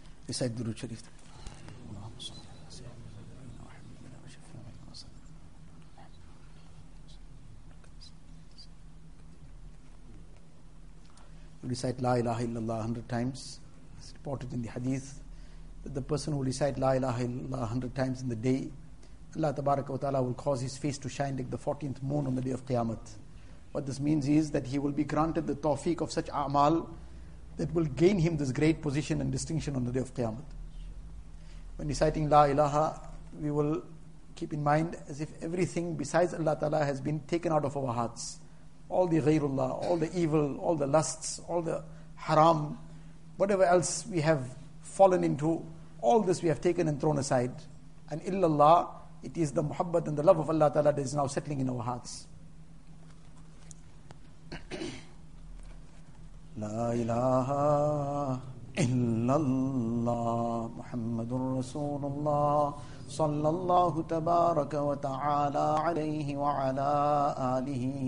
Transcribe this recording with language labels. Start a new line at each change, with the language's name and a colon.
Arabic: سيد درود شريف اللهم صل على سيدنا محمد وشفيع المصطفى محمد.
English: Recite la ilaha illallah 100 times. It's reported in the hadith that the person who recite la ilaha illallah 100 times in the day, Allah tabaraka wa ta'ala will cause his face to shine like the 14th moon on the day of qiyamah. What this means is that he will be granted the tawfiq of such a'mal that will gain him this great position and distinction on the day of Qiyamah. When reciting La Ilaha, we will keep in mind as if everything besides Allah Ta'ala has been taken out of our hearts. All the ghairullah, all the evil, all the lusts, all the haram, whatever else we have fallen into, all this we have taken and thrown aside. And illallah, it is the muhabbat and the love of Allah Ta'ala that is now settling in our hearts.
Arabic: لا إله إلا الله محمد رسول الله صلى الله تبارك وتعالى عليه وعلى آله